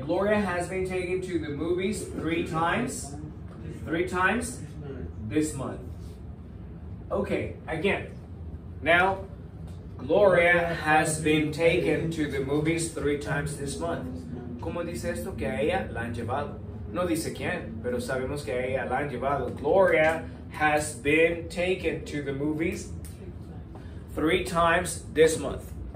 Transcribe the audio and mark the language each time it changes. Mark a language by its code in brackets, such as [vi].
[en] Gloria has been taken to the movies three times. Three times this month. Okay, again. Now, Gloria has been taken to the movies three times this month. [es] ¿Cómo dice esto? Que a ella la han llevado. No dice quién, pero sabemos que a ella la han llevado. [en] Gloria has been taken to the movies three times this month.